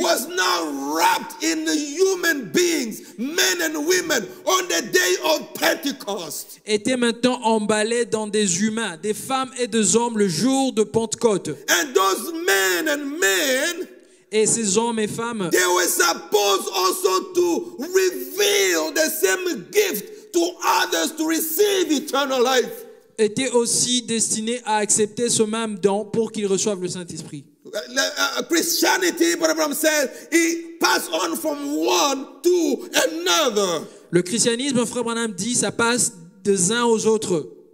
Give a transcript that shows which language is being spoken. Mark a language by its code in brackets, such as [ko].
[en] was now wrapped in the human beings, men and women, on the day of Pentecost. [fr] Était maintenant emballé dans des humains, des femmes et des hommes le jour de Pentecôte. [en] And those men and men, [fr] et ces hommes et femmes, [en] they were supposed also to reveal the same gift to others to receive eternal life. [fr] Était aussi destiné à accepter ce même don pour qu'il reçoive le Saint-Esprit. Le christianisme, Frère Branham dit, ça passe des uns aux autres.